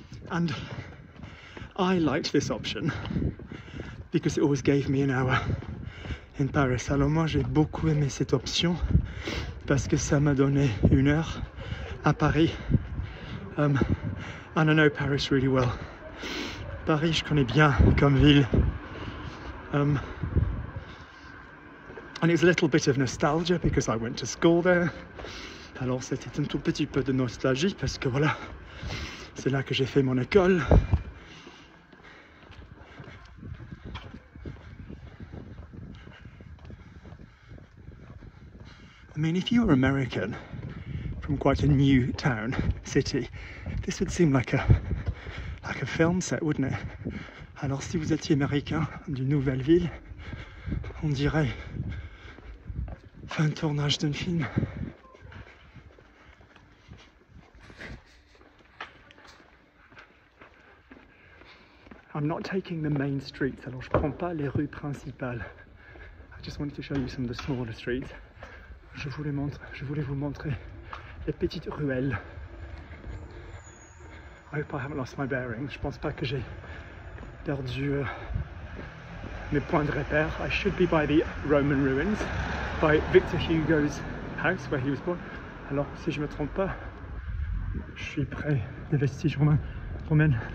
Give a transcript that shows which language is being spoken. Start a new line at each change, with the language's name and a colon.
English: And I liked this option because it always gave me an hour in Paris.
French: Alors moi, j'ai beaucoup aimé cette option parce que ça m'a donné une heure à Paris.
English: And I know Paris really well.
French: Paris, je connais bien comme ville.
English: And it was a little bit of nostalgia because I went to school there.
French: Alors c'était un tout petit peu de nostalgie parce que voilà, c'est là que j'ai fait mon école.
English: I mean, if you were American from quite a new town, city, this would seem like a film set, wouldn't it?
French: Alors, si vous étiez américain d'une nouvelle ville, on dirait fin de tournage d'un film.
English: I'm not taking the main streets.
French: Alors, je prends pas les rues principales.
English: I just wanted to show you some of the smaller streets.
French: Je voulais vous montrer les petites ruelles.
English: I hope I haven't lost my bearings.
French: Je pense pas que j'ai perdu mes points de repère.
English: I should be by the Roman ruins, by Victor Hugo's house where he was born.
French: Alors, si je me trompe pas, je suis près des vestiges romains.